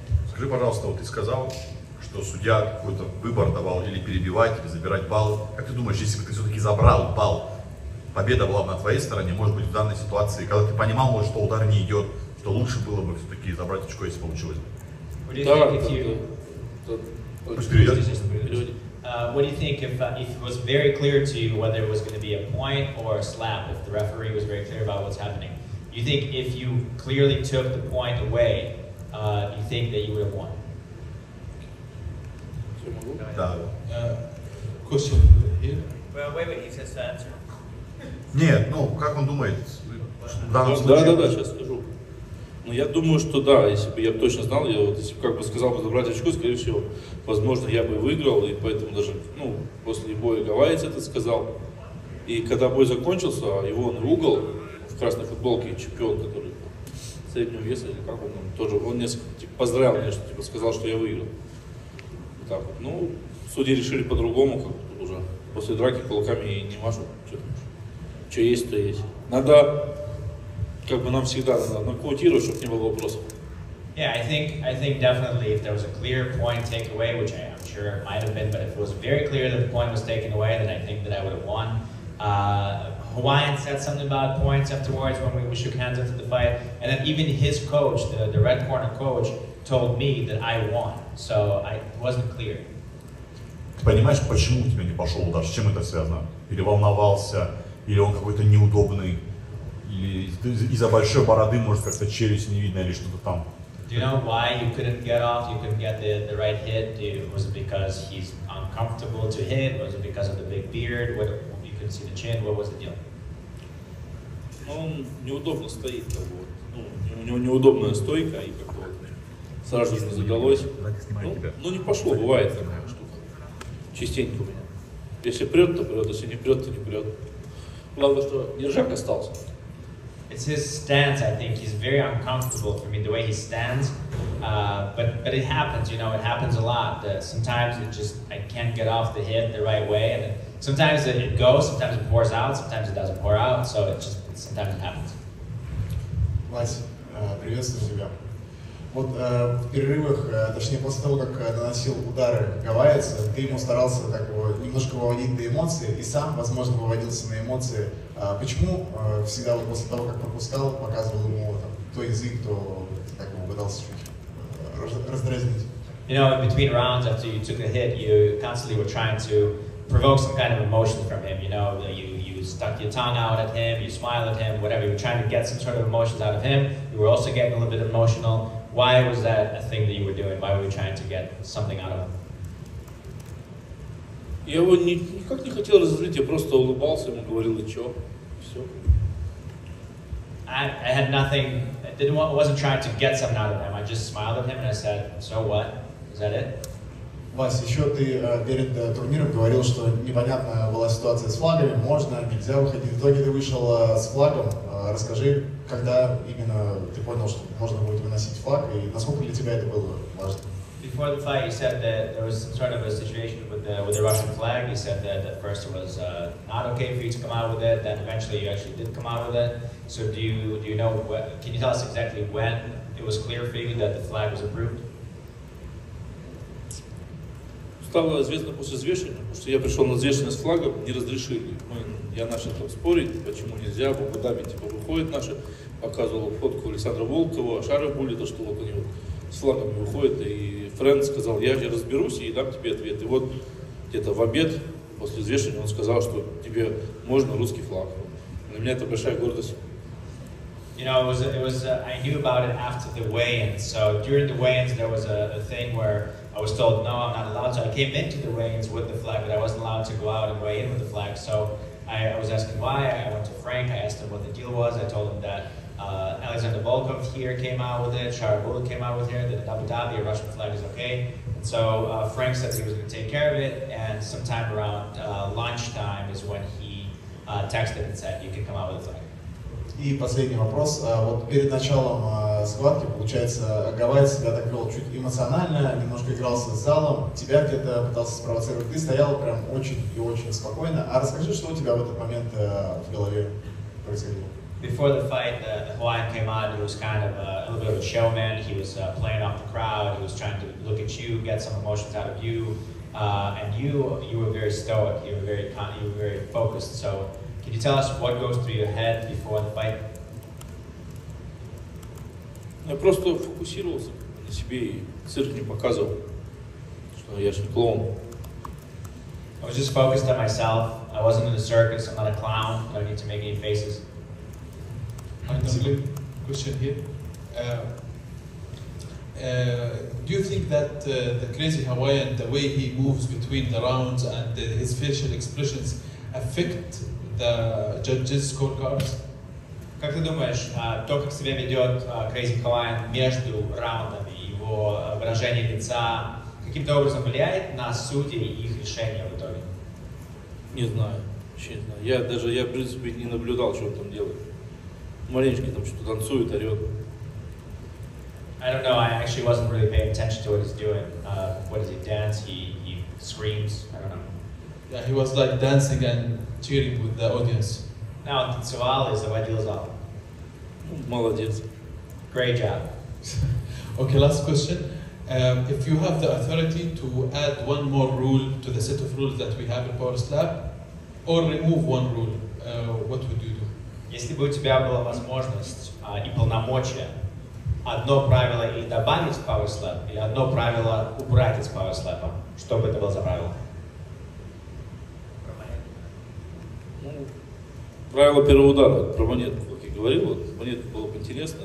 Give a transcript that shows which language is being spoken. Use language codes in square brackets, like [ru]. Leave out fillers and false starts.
[ru] Скажи, пожалуйста, вот ты сказал, что судья какой-то выбор давал или перебивать, или забирать балл. Как ты думаешь, если бы ты все-таки забрал балл, победа была бы на твоей стороне, может быть, в данной ситуации, когда ты понимал, может, что удар не идет, то лучше было бы все-таки забрать очко, если получилось. [en] What do you [ru] да, [en] think if you... What do you think if it was very clear to you whether it was going to be a point or a slap, if the referee was very clear about what's happening? You think if you clearly took the point away, you think that you would have won? [ru] Да. [en] Question. Well, wait, he says that. [ru] Нет, ну, как он думает? Да, сейчас скажу. Ну, я думаю, что да, если бы я точно знал, я вот, если бы как бы сказал бы забрать очко, скорее всего, возможно, я бы выиграл, и поэтому даже, ну, после боя Гавайец это сказал. И когда бой закончился, его он угол в красной футболке, чемпион, который там, среднего веса, или как он тоже, он несколько, типа, поздравил меня, что, типа, сказал, что я выиграл. И так вот, ну, судьи решили по-другому, как тут уже, после драки кулаками не машут, что есть, то есть. Надо... Как бы нам всегда надо квотировать, чтобы не было вопросов. [en] Yeah, I think definitely if there was a clear point takeaway, which I'm sure it might have been, but if it was very clear that the point was taken away, then I think that I would have won. Hawaiian said something about points afterwards when we shook hands after the fight, and then even his coach, the red corner coach, told me that I won. So I wasn't clear. [ru] Ты понимаешь, почему у тебя не пошел удар? С чем это связано? Или волновался, или он какой-то неудобный? Из-за большой бороды, может, как-то челюсть не видно или что-то там. [en] Do you know why you couldn't get off, you couldn't get the right hit? Was it because he's uncomfortable to hit? Was it because of the big beard? What, you couldn't see the chin? What was the deal? [ru] Он неудобно стоит, вот. Ну, у него неудобная стойка, и как-то вот сразу же задалось. Ну, не пошло, бывает такая штука. Частенько у меня. Если прет, то прет, если не прет, то не прет. Главное, что держак остался. [en] It's his stance, I think. He's very uncomfortable for me, the way he stands. But it happens, you know, it happens a lot. Sometimes it just, I can't get off the hit the right way. And sometimes it goes, sometimes it pours out, sometimes it doesn't pour out. So it just, sometimes it happens. [ru] Вася, приветствую тебя. Вот в перерывах, точнее после того, как доносил удары Гавайец, ты ему старался так вот немножко выводить на эмоции, и сам, возможно, выводился на эмоции. Почему всегда вот после того, как пропускал, показывал ему там, то язык, то так его пытался чуть-чуть раздразнить? [en] You know, in between rounds, after you took a hit, you constantly were trying to provoke some kind of emotion from him. You know, you stuck your tongue out at him, you smiled at him, whatever. You were trying to get some sort of emotions out of him. You were also getting a little bit emotional. Why was that a thing that you were doing? Why were you trying to get something out of him? [ru] Я его никак не хотел разозлить, я просто улыбался ему, говорил, и чё, и всё. [en] I had nothing, I wasn't trying to get something out of him, I just smiled at him and I said, so what, is that it? [ru] Вась, ещё ты перед турниром говорил, что непонятная была ситуация с флагами, можно, нельзя выходить. В итоге ты вышел с флагом, Расскажи, когда именно ты понял, что можно будет выносить флаг, и насколько для тебя это было важно? [en] Before the fight, you said that there was some sort of a situation with the Russian flag. You said that at first it was not okay for you to come out with it. Then eventually you actually did come out with it. So do you know what? Can you tell us exactly when it was clear for you that the flag was approved? [ru] Стало известно после взвешивания, потому что я пришел на взвешивание с флагом, не разрешили. Я начал там спорить, почему нельзя, в Абу-Даби типа выходит наши, показывал фотку Александра Волкова, шары были, то, что вот они вот с флагом выходят. И Фрэнк сказал, я же разберусь и дам тебе ответ. И вот где-то в обед после взвешивания он сказал, что тебе можно русский флаг. Для меня это большая гордость. [en] You know, I knew about it after the weigh-ins. So during the weigh-ins, there was a thing where I was told, no, I'm not allowed to. I came into the weigh-ins with the flag, but I wasn't allowed to go out and weigh in with the flag. So I was asking why. I went to Frank. I asked him what the deal was. I told him that Alexander Volkov here came out with it. Shara Bull came out with it. That Abu Dhabi, a Russian flag, is okay. And so Frank said he was going to take care of it. And sometime around lunchtime is when he texted and said, you can come out with the flag. [ru] И последний вопрос. Вот перед началом схватки, получается, Гавайц себя так вел чуть эмоционально, немножко игрался с залом, тебя где-то пытался спровоцировать. Ты стоял прям очень и очень спокойно. А расскажи, что у тебя в этот момент в голове происходило? [en] Before the fight, the Hawaiian came out, he was kind of a little bit of a showman. He was playing off the crowd, he was trying to look at you, get some emotions out of you. And you were very stoic, you were very focused. So can you tell us what goes through your head before the fight? [ru] Я просто фокусировался на себе и цирк не показывал, что я же клоун. [en] I was just focused on myself. I wasn't in a circus. I'm not a clown. I don't need to make any faces. Finally, question here. Do you think that the crazy Hawaiian, the way he moves between the rounds and his facial expressions affect the judges' scorecards? [ru] Как ты думаешь, то, как себя ведет Crazy Hawaiian между раундами, его выражение лица, каким-то образом влияет на судей и их решение в итоге? Не знаю, вообще не знаю. Я в принципе, не наблюдал, что он там делает. Маленечко там что-то танцует, орет. [en] I don't know, I actually wasn't really paying attention to what he's doing. What does he dance? He screams, I don't know. Yeah, he was like dancing and cheering with the audience. Now, [ru] танцевал [en] is what deals up. [ru] Молодец. [en] Great job. Okay, last question. If you have the authority to add one more rule to the set of rules that we have in Power Slab, or remove one rule, what would you do? [ru] Если бы у тебя была возможность и полномочия одно правило или добавить в Power Slab, или одно правило убрать из Power Slab, что бы это было за правило? Правило первого удара про монетку, как я говорил, вот, монетку было бы интересно.